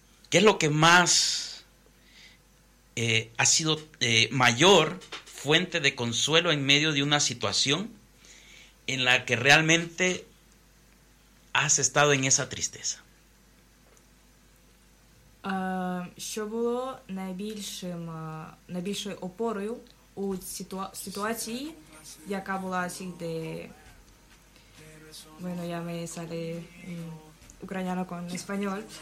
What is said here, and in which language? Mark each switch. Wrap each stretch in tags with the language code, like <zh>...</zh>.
<es>¿Qué es lo que más ha sido mayor fuente de consuelo en medio de una situación en la que realmente has estado en esa tristeza?</es> <uk>Що було найбільшим найбільшою опорою у ситуації, яка була сіде.</uk> <es>Bueno, ya me sale ucraniano con español.</es>